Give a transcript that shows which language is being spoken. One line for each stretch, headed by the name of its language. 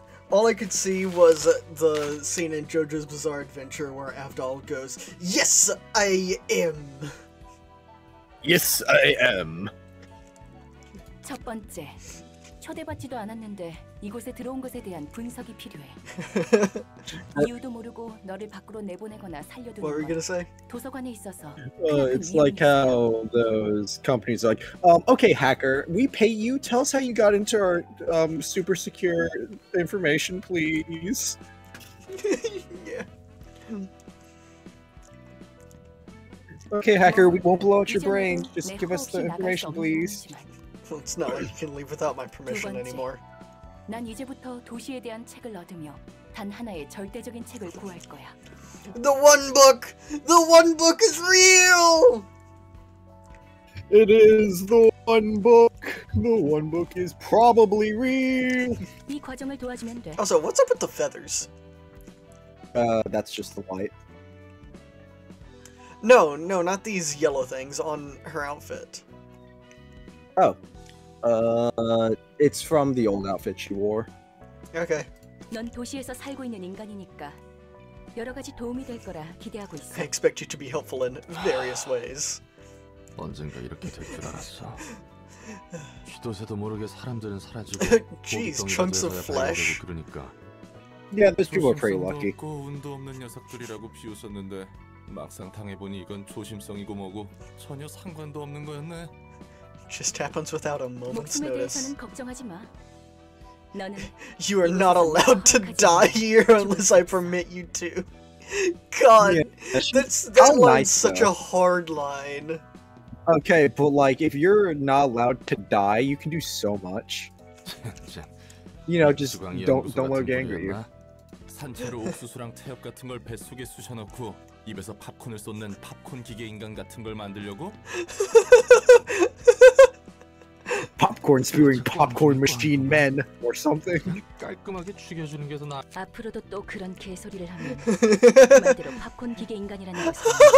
English: All I could see was the scene in JoJo's Bizarre Adventure where Avdol goes, Yes, I am! Yes, I am!
Korean: 첫 번째, 초대받지도 않았는데 이곳에 들어온 것에 대한 분석이 필요해. 이유도 모르고 너를 밖으로 내보내거나 살려두는
English: What were you gonna say?
Korean: 도서관에 있어서
English: It's like how those companies are like, okay, hacker, we pay you, tell us how you got into our super secure information, please. Yeah. Okay, hacker, we won't blow out your brain, just give us the information, please. It's not like you can leave without my permission anymore.
Korean: 난 이제부터 도시에 대한 책을 얻으며 단 하나의 절대적인 책을 구할 거야.
English: The one book! The one book is real! It is the one book! The one book is probably real!
Korean: 이 과정을 도와주면 돼.
English: Also, what's up with the feathers? That's just the white. No, not these yellow things on her outfit. Oh. It's from the old outfit she wore. Okay.
Korean: 넌 도시에서 살고 있는 인간이니까 여러 가지 도움이 될 거라 기대하고 있어.
English: I expect you to be helpful in various ways.
Korean: 언젠가 이렇게 될 줄 알았어. 쥐도새도 모르게 사람들은 사라지고
English: Jeez, chunks of flesh.
Korean: 그러니까.
English: Yeah, those people are pretty lucky.
Korean: 조심성도 없고 운도 없는 녀석들이라고 비웃었는데 막상 당해보니 이건 조심성이고 뭐고 전혀 상관도 없는 거였네.
English: Just happens without a moment's notice.
Korean: 목숨에 대해서는 걱정하지 마.
English: You are not allowed to die here unless I permit you to. God, yeah, that line's such a hard line. Okay, but like, if you're not allowed to die, you can do so much. You know, just don't let it get angry at you.
Korean: 산채로 옥수수랑 태엽 같은 걸 뱃속에 쑤셔넣고 입에서 팝콘을 쏟는 팝콘 기계 인간 같은 걸 만들려고?
English: Popcorn spewing popcorn machine men or something.
Korean: 깔끔하게 죽여주는 게 더 나. 앞으로도 또 그런 개소리를 하면 그만대로 팝콘 기계 인간이라는 것을.